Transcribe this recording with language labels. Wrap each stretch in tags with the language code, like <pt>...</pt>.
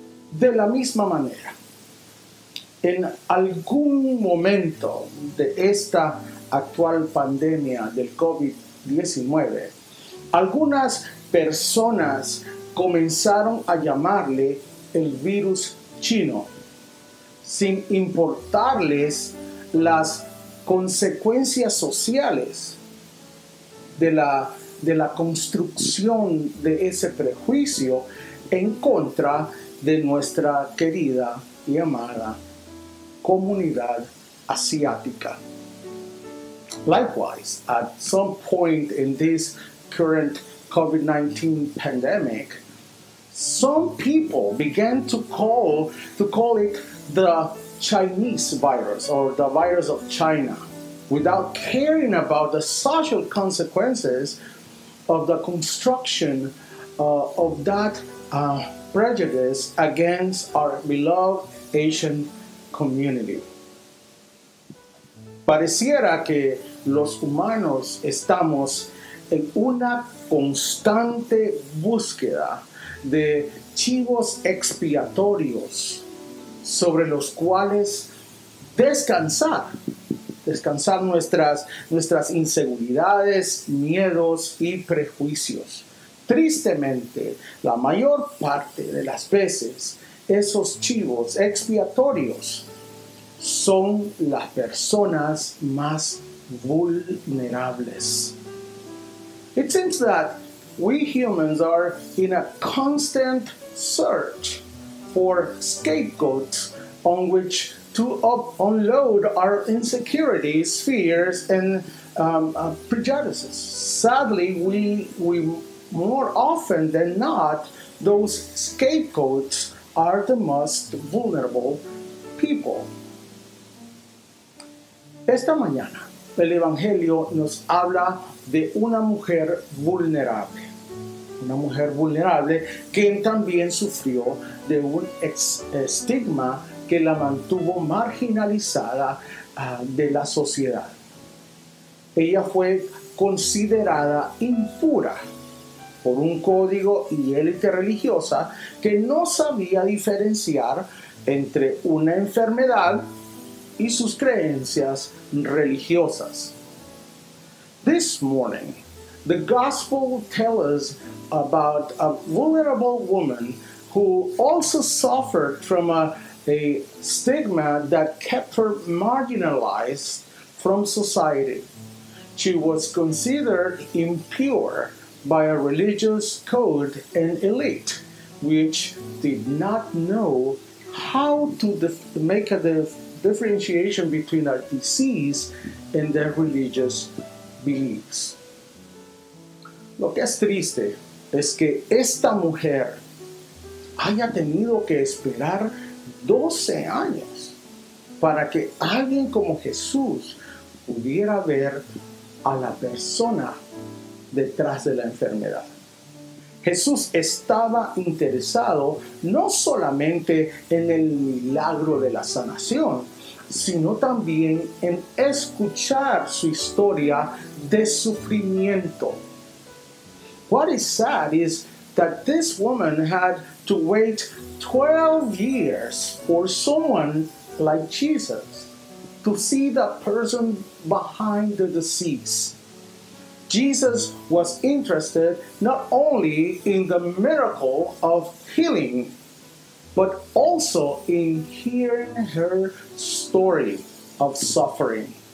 <es>De la misma manera, en algún momento de esta actual pandemia del COVID-19, algunas personas comenzaron a llamarle el virus chino, sin importarles las consecuencias sociales de la construcción de ese prejuicio en contra de nuestra querida y amada comunidad asiática.</es> <en>Likewise, at some point in this current COVID-19 pandemic, some people began to call it the Chinese virus or the virus of China, without caring about the social consequences of the construction of that prejudice against our beloved Asian community.</en> <es>Pareciera que los humanos estamos en una constante búsqueda de chivos expiatorios sobre los cuales descansar nuestras inseguridades, miedos y prejuicios. Tristemente, la mayor parte de las veces, esos chivos expiatorios son las personas más vulnerables.</es> <en>It seems that we humans are in a constant search for scapegoats on which to unload our insecurities, fears, and prejudices. Sadly, we more often than not, those scapegoats are the most vulnerable people.</en> <es>Esta mañana, el Evangelio nos habla de una mujer vulnerable. Una mujer vulnerable quien también sufrió de un estigma que la mantuvo marginalizada de la sociedad. Ella fue considerada impura por un código y élite religiosa que no sabía diferenciar entre una enfermedad y sus creencias religiosas.</es> <en>This morning, the gospel tells us about a vulnerable woman who also suffered from a stigma that kept her marginalized from society. She was considered impure by a religious code and elite, which did not know how to make a differentiation between a disease and their religious beliefs.</en> <es>Lo que es triste es que esta mujer haya tenido que esperar 12 años para que alguien como Jesús pudiera ver a la persona detrás de la enfermedad. Jesús estaba interesado no solamente en el milagro de la sanación, sino también en escuchar su historia de sufrimiento.</es> <en>What is sad is that this woman had to wait 12 years for someone like Jesus to see the person behind the disease. Jesus was interested not only in the miracle of healing, but also in hearing her story of suffering.</en>